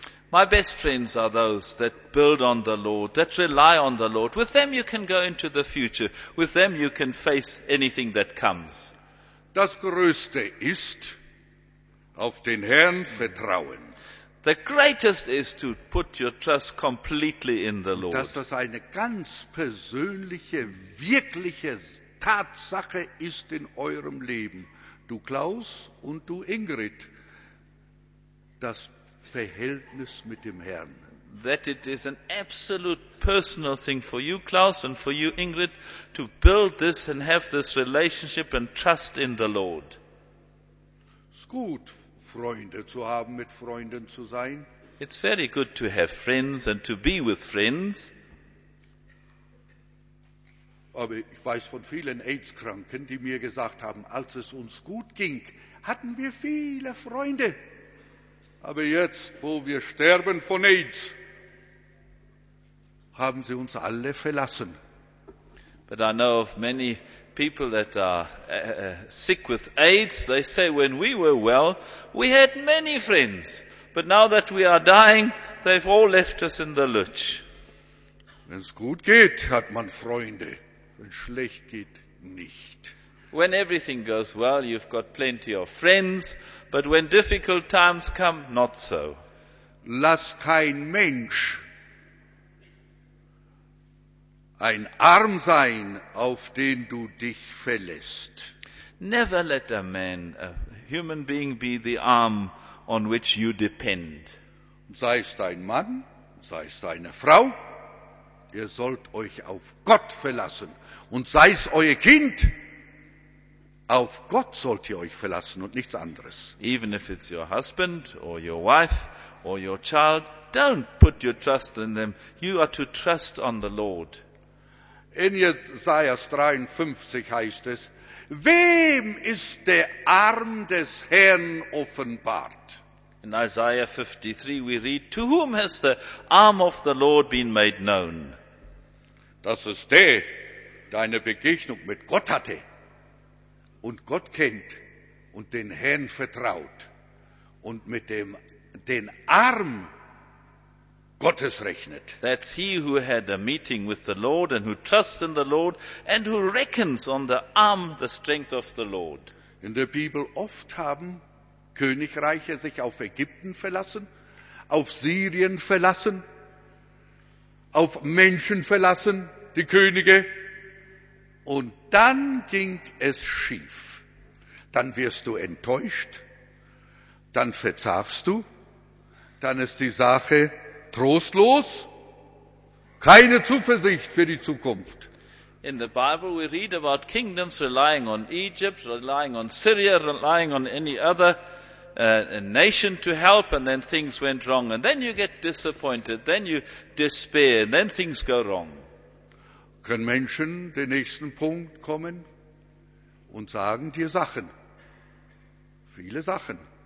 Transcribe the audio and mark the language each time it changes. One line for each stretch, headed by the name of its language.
English: My best friends are those that build on the Lord, that rely on the Lord. With them you can go into the future. With them you can face anything that comes.
German: Das Größte ist, auf den Herrn vertrauen.
English: The greatest is to put your trust completely in the Lord.
German: Dass das eine ganz persönliche, wirkliche Tatsache ist in eurem Leben. Du Klaus und du Ingrid, das Verhältnis mit dem Herrn.
English: That it is an absolute personal thing for you, Klaus, and for you, Ingrid, to build this and have this relationship and trust in the Lord.
German: Es ist gut, Freunde zu haben, mit Freunden zu sein.
English: It's very good to have friends and to be with friends.
German: Aber ich weiß von vielen AIDS-Kranken, die mir gesagt haben, als es uns gut ging, hatten wir viele Freunde. Aber jetzt, wo wir sterben von AIDS, haben sie uns alle verlassen.
English: But I know of many people that are sick with AIDS. They say, when we were well, we had many friends. But now that we are dying, they've all left us in the lurch.
German: Wenn's gut geht, hat man Freunde. Wenn's schlecht geht, nicht.
English: When everything goes well, you've got plenty of friends. But when difficult times come, not so.
German: Lass kein Mensch ein Arm sein, auf den du dich verlässt.
English: Never let a man, a human being, be the arm on which you depend.
German: Sei es dein Mann, sei es deine Frau, ihr sollt euch auf Gott verlassen. Und sei es euer Kind, auf Gott sollt ihr euch verlassen und nichts anderes.
English: Even if it's your husband or your wife or your child, don't put your trust in them. You are to trust on the Lord.
German: In Jesajas 53 heißt es, wem ist der Arm des Herrn offenbart?
English: In Isaiah 53 we read, to whom has the arm of the Lord been made known?
German: Das ist der, der eine Begegnung mit Gott hatte und Gott kennt und den Herrn vertraut und mit dem den Arm Gottes rechnet.
English: That's he who had a meeting with the Lord and who trusts in the Lord and who reckons on the arm, the strength of the Lord.
German: In der Bibel oft haben Königreiche sich auf Ägypten verlassen, auf Syrien verlassen, auf Menschen verlassen, die Könige. Und dann ging es schief. Dann wirst du enttäuscht, dann verzagst du, dann ist die Sache trostlos, keine Zuversicht für die Zukunft.
English: In the Bible we read about kingdoms relying on Egypt, relying on Syria, relying on any other nation to help, and then things went wrong. And then you get disappointed, then you despair, and then things go wrong.
German: Können Menschen den nächsten Punkt kommen und sagen dir Sachen. Viele Sachen.